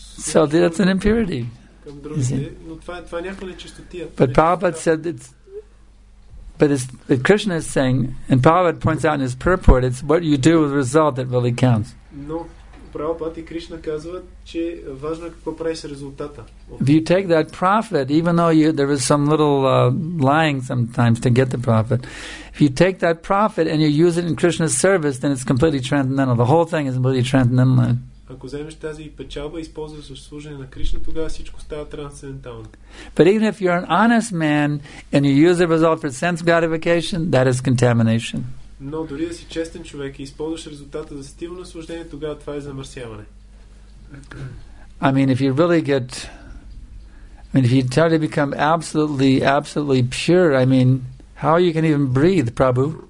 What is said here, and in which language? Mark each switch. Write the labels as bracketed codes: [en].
[en] So that's an impurity. But Prabhupada said it's But Krishna is saying, and Prabhupada points out in his purport, it's what you do with the result that really counts. No, Prabhupada and Krishna [bg] казва, че важно е какво правиш резултата. [en] If you take that profit, even though you, there is some little lying sometimes to get the profit, if you take that profit and you use it in Krishna's service, then it's completely transcendental. The whole thing is completely transcendental. [bg] Ако вземеш тази печалба, използваш за служение на Кришна, тогава всичко става трансцендентално. [en] But even if you're an honest man and you use the result for sense gratification, that is contamination. [bg] Но дори да си честен човек и използваш резултата за стимул на служение, тогава това е замърсяване. [en] I mean, if you really get, I mean, if you try to become absolutely, absolutely pure, I mean, how you can even breathe, Prabhu?